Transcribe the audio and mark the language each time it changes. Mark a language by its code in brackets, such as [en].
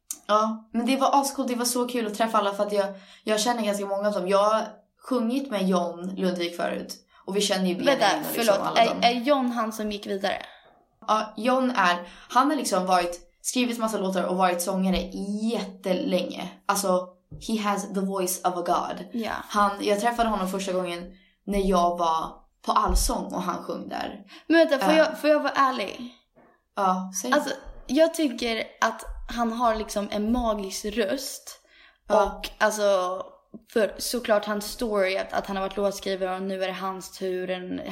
[sv] Ja, men det var ascoolt, det var så kul att träffa alla. För att jag känner ganska många av dem. Jag har sjungit med John Lundvik förut. Och vi känner ju bredvid liksom, förlåt, alla dem. Är John han som gick vidare? Ja, John är, han har liksom varit, skrivit massa låtar och varit sångare jättelänge. Alltså, [en] he has the voice of a god. Yeah. [sv] Jag träffade honom första gången när jag var på Allsång och han sjöng där. Men vänta, får jag vara ärlig? Ja, säg. Alltså, jag tycker att han har liksom en magisk röst. Och alltså, för såklart hans story att han har varit låtskrivare och nu är det hans tur.